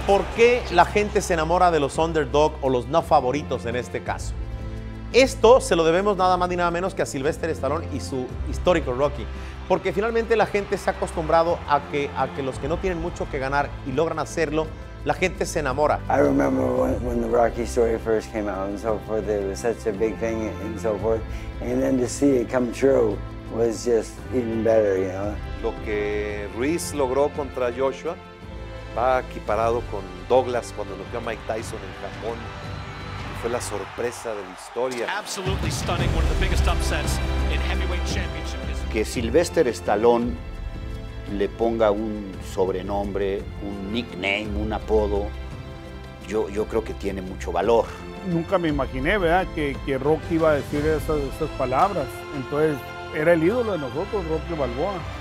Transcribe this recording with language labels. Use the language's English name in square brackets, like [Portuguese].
[Spanish] ¿Por qué la gente se enamora de los underdog o los no favoritos en este caso? Esto se lo debemos nada más ni nada menos que a Sylvester Stallone y su histórico Rocky. Porque finalmente la gente se ha acostumbrado a que los que no tienen mucho que ganar y logran hacerlo, la gente se enamora. [English] I remember when the Rocky story first came out and so forth, it was such a big thing and so forth. And then to see it come true was just even better, you know. [Spanish] Lo que Ruiz logró contra Joshua va equiparado con Douglas cuando lo vio Mike Tyson en Japón. Fue la sorpresa de la historia. [English] Absolutely stunning, one of the biggest upsets in heavyweight championship. [Spanish] Que Sylvester Stallone le ponga un sobrenombre, un nickname, un apodo, yo creo que tiene mucho valor. Nunca me imaginé, ¿verdad?, que Rocky iba a decir esas palabras. Entonces, era el ídolo de nosotros, Rocky Balboa.